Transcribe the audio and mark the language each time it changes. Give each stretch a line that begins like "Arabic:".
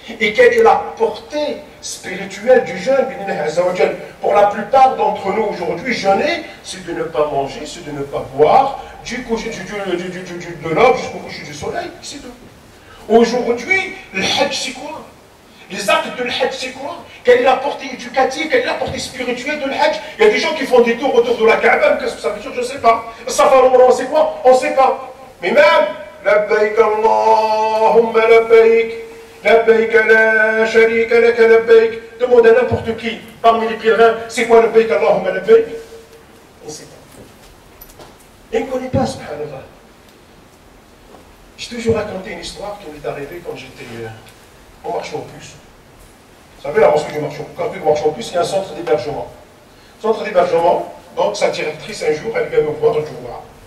French: Et quelle est la portée spirituelle du jeûne? Pour la plupart d'entre nous aujourd'hui, jeûner, c'est de ne pas manger, c'est de ne pas boire, du coucher de l'aube jusqu'au coucher du soleil, c'est tout. Aujourd'hui, le hajj c'est quoi? Les actes de le hajj c'est quoi? Quelle est la portée éducative? Quelle est la portée spirituelle de le hajj? Il y a des gens qui font des tours autour de la Kaaba, qu'est-ce que ça veut dire? Je ne sais pas. Ça va au moment, c'est quoi? On ne sait pas. Mais même
Arabic: لبيك اللهم لبيك لبيك لا شريك لك لبيك دمودا
French: n'importe qui parmi les pèlerins, c'est quoi
Arabic: لبيك اللهم لبيك?
French: On ne sait pas. Il ne connaît pas, subhanallah. J'ai toujours raconté une histoire qui m'est arrivée quand j'étais en marchant au puce. Vous savez, la mosquée du marchand, quand tu marches en puce, il y a un centre d'hébergement. centre d'hébergement, donc sa directrice, un jour, elle vient me voir, je vois.